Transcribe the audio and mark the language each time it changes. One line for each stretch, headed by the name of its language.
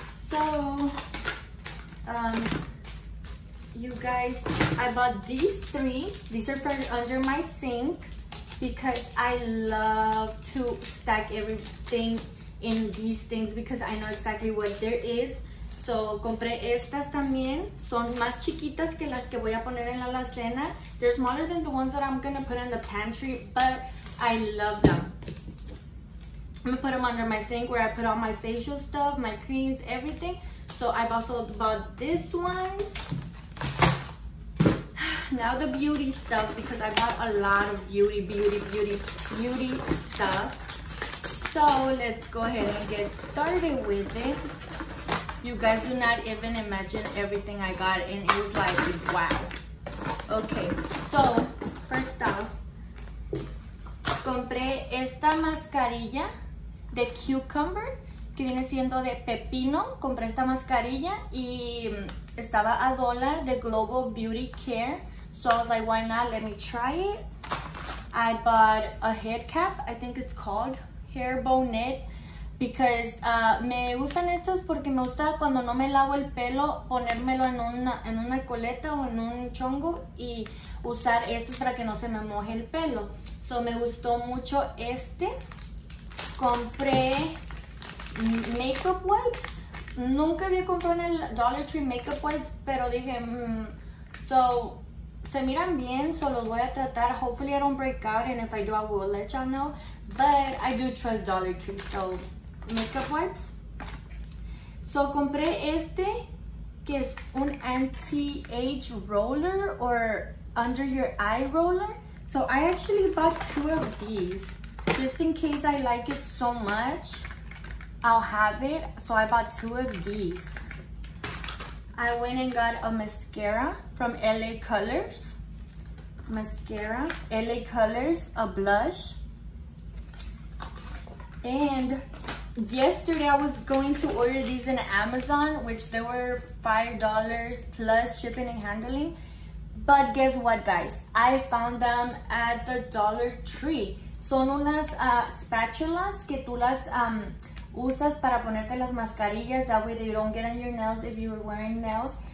English: So, you guys, I bought these three. These are for under my sink because I love to stack everything in these things because I know exactly what there is.
Spanish: So compré estas también. Son más chiquitas que las que voy a poner en la alacena.
English: They're smaller than the ones that I'm gonna put in the pantry, but I love them. I'm gonna put them under my sink where I put all my facial stuff, my creams, everything. So I've also bought this one. Now the beauty stuff, because I bought a lot of beauty stuff. So let's go ahead and get started with it. You guys do not even imagine everything I got, and it was like, wow. Okay, so first off,
Spanish: compré esta mascarilla de cucumber, que viene siendo de pepino. Compré esta mascarilla y estaba a $1 de Global Beauty Care.
English: So I was like, why not? Let me try it. I bought a head cap, I think it's called. Hair bonnet, because
Spanish: me gustan estas porque me gusta cuando no me lavo el pelo ponérmelo en una coleta o en un chongo y usar estos para que no se me moje el pelo. So me gustó mucho este. Compré makeup wipes. Nunca había comprado en el Dollar Tree makeup wipes, pero dije, so se miran bien, so los voy a tratar.
English: Hopefully I don't break out, and if I do, I will let y'all know. But I do trust Dollar Tree, so makeup wipes.
Spanish: So compré este, que es un anti-age roller
English: or under your eye roller. So I actually bought two of these, just in case I like it so much, I'll have it. So I bought two of these. I went and got a mascara from LA Colors. Mascara, LA Colors, a blush. And yesterday I was going to order these in Amazon, which they were $5 plus shipping and handling. But guess what, guys? I found them at the Dollar Tree.
Spanish: Son unas spatulas que tú las usas para ponerte las mascarillas.
English: That way they don't get on your nails if you were wearing nails.